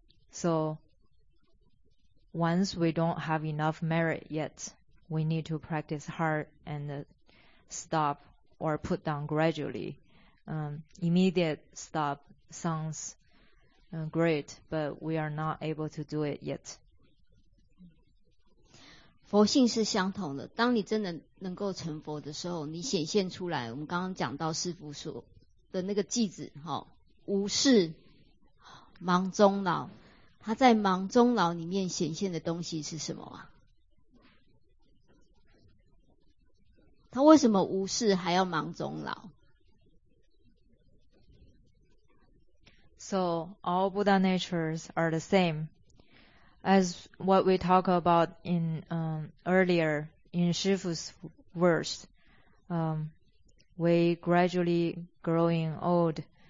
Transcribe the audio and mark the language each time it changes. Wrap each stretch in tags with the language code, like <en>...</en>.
<en>So once we don't have enough merit yet, we need to practice hard and stop or put down gradually. Immediate stop sounds great, but we are not able to do it yet.</en> <zh>佛性是相同的，当你真的能够成佛的时候，你显现出来，我们刚刚讲到师父说的那个句子，齁，无事盲中老，他在盲中老里面显现的东西是什么啊？他为什么无事还要盲中老</zh> <en>？So all Buddha natures are the same as what we talk about in earlier in Shifu's verse. We gradually growing old.</en>